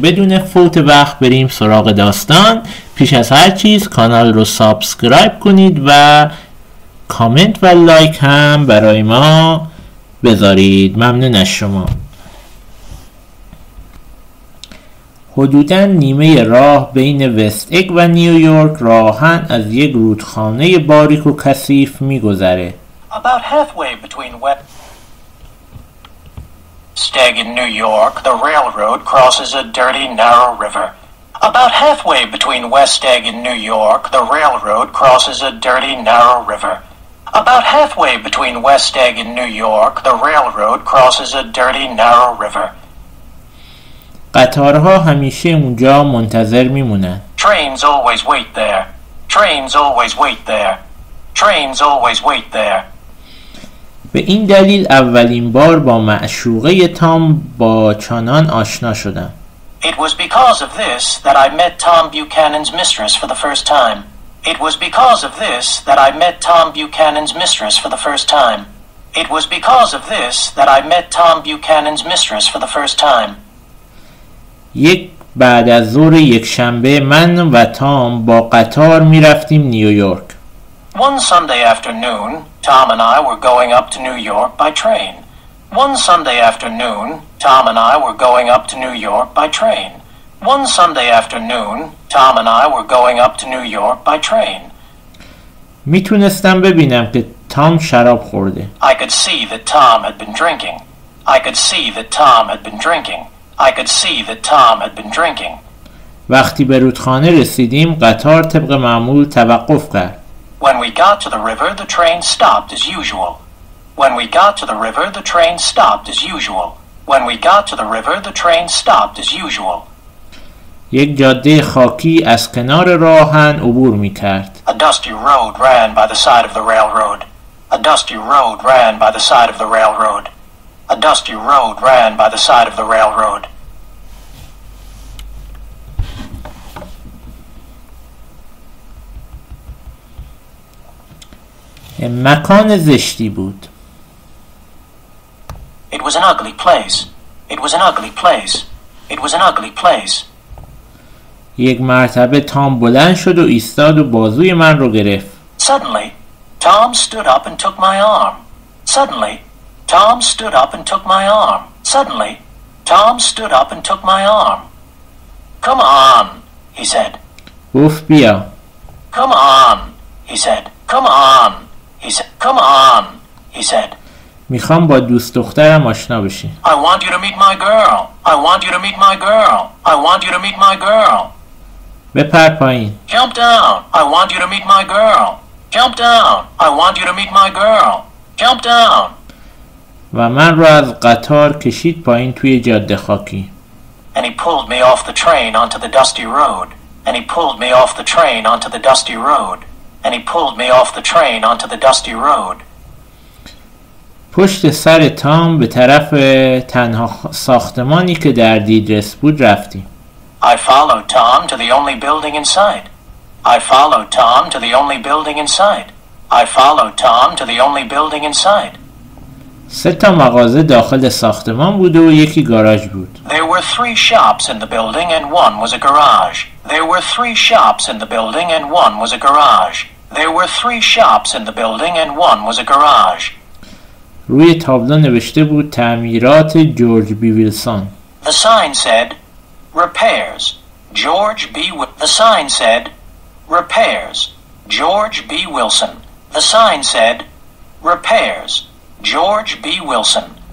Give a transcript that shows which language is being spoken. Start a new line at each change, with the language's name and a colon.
Persian: بدون فوت وقت بریم سراغ داستان. پیش از هر چیز کانال رو سابسکرایب کنید و کامنت و لایک هم برای ما بذارید. ممنون از شما. حدوداً نیمه راه بین وست اگ و نیویورک راهن از یک رودخانه باریک و کثیف میگذره.
English: About halfway between West Egg and New York, the railroad crosses a dirty, narrow river. About halfway between West Egg and New York, the railroad crosses a dirty, narrow river. About halfway between West Egg and New York, the railroad crosses a dirty, narrow river.
Persian: قطارها همیشه اونجا منتظر میمونن.
English: Trains always wait there. Trains always wait there. Trains always wait there.
Persian: به این دلیل اولین بار با معشوقه تام با چانان آشنا شدم.
English: It was because of this that I met Tom Buchanan's mistress for the first time. It was because of this that I met Tom Buchanan's mistress for the first time. It was because of this that I met Tom Buchanan's mistress for the first time.
Persian: یک بعد از ظهر یک شنبه من و تام با قطار می رفتیم نیویورک.
English: One Sunday afternoon, Tom and I were going up to New York by train. One Sunday afternoon, Tom and I were going up to New York by train. One Sunday afternoon, Tom and I were going up to New York by train.
Persian: میتونستم ببینم که تام شراب خورده.
English: I could see that Tom had been drinking. I could see that Tom had been drinking. I could see that Tom had been drinking.
Persian: وقتی به رودخانه رسیدیم، قطار طبق معمول توقف کرد.
English: When we got to the river, the train stopped as usual. When we got to the river, the train stopped as usual. When we got to the river, the train stopped as usual.
Persian: یک جاده خاکی از کنار راهن عبور می‌کرد.
English: A dusty road ran by the side of the railroad. A dusty road ran by the side of the railroad. A dusty road ran by the side of the railroad.
Persian: مکان زشتی بود.
English: It was an ugly place. It was an ugly place. It was an ugly place.
Persian: یک مرتبه تام بلند شد و ایستاد و بازوی من رو گرفت.
English: Suddenly, Tom stood up and took my arm. Suddenly, Tom stood up and took my arm. Suddenly, Tom stood up and took my arm. Come on, he said.
Persian: گفت بیا.
English: Come on, he said. Come on. He said, come on, he said.
Persian: میخوام با دوست دخترم آشنا بشی.
English: I want you to meet my girl. I want you to meet my girl. I want you to meet my girl.
Persian: بپر پایین.
English: Jump down. I want you to meet my girl. Jump down. I want you to meet my girl. Jump down.
Persian: و من رو از قطار کشید پایین توی جاده خاکی.
English: And he pulled me off the train onto the dusty road. And he pulled me off the train onto the dusty road. And he pulled me off the train onto the dusty road.
Persian: پشت سر تام به طرف تنها ساختمانی که در دیدرس بود رفتیم.
English: I followed Tom to the only building in sight. I followed Tom to the only building in sight. I followed Tom to the only building in sight.
Persian: سه تا مغازه داخل ساختمان بود و یکی گاراژ بود.
English: There were three shops in the building and one was a garage. There were three shops in the building and one was a garage. There were three shops in the building and one was a garage.
Persian: روی تابلو نوشته بود تعمیرات جورج بی ویلسون.
English: The sign said repairs George B. The sign said repairs George B. Wilson. The sign said repairs George B. Wilson.